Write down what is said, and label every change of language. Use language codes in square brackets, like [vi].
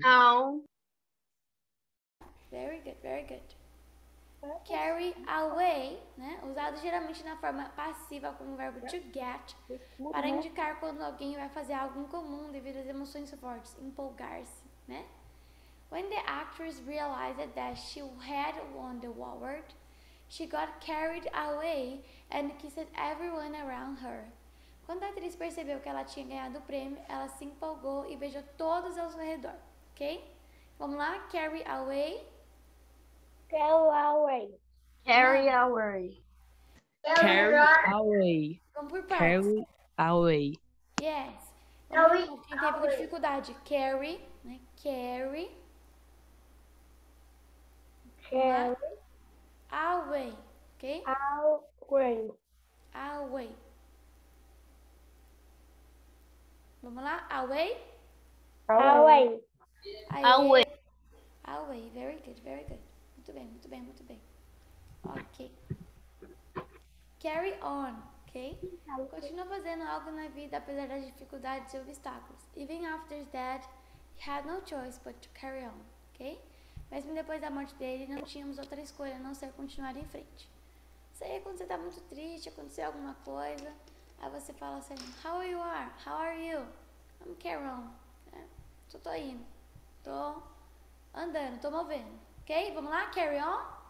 [en] Calm. Very good, very good. Carry away, né? [pt] Usado geralmente na forma passiva como o verbo to get, para indicar quando alguém vai fazer algo incomum devido às emoções fortes, empolgar-se, né? [en] When the actress realized that she had won the award, she got carried away and kissed everyone around her. [pt] Quando a atriz percebeu que ela tinha ganhado o prêmio, ela se empolgou e beijou todos ao seu redor, ok? Vamos lá, carry away. [en] Carry away. Carry away. Carry away. [pt] Vamos por partes. [en] Carry away. Yes. Carry away. [pt] Quem teve dificuldade? [en] Carry, né? Carry. Carry. Away, ok? Away. Away. [pt] Vamos lá? Away? [en] Away. Away. Away. Very good, very good. [pt] Muito bem, muito bem, muito bem. [en] Ok. Carry on, ok? [pt] Continua fazendo algo na vida apesar das dificuldades e obstáculos. [en] Even after that, he had no choice but to carry on, ok? [pt] Mesmo depois da morte dele, não tínhamos outra escolha a não ser continuar em frente. Isso aí é quando você tá muito triste, aconteceu alguma coisa. Aí você fala assim, [en] how you are? How are you? I'm Carol. [pt] Só tô indo. Tô andando, tô movendo. Ok? Vamos lá? Carry on?